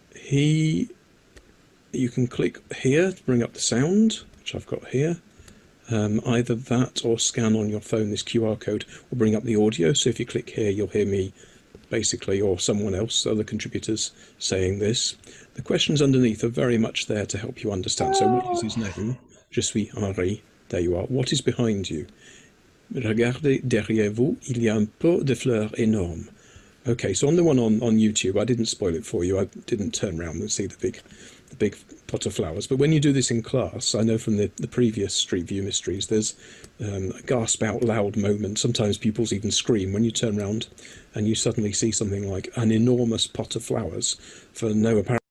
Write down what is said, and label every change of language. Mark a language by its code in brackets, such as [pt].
[en] You can click here to bring up the sound, which I've got here. Either that or scan on your phone, this QR code will bring up the audio. So if you click here, you'll hear me basically, or someone else, other contributors saying this. The questions underneath are very much there to help you understand. So what is his name? [fr] Je suis Henri. [en] There you are. What is behind you? [fr] Regardez derrière vous, il y a un pot de fleurs énorme. [en] Okay, so on the one on YouTube, I didn't spoil it for you. I didn't turn around and see the big pot of flowers. But when you do this in class, I know from the previous Street View mysteries, there's a gasp out loud moment. Sometimes pupils even scream when you turn around and you suddenly see something like an enormous pot of flowers for no apparent.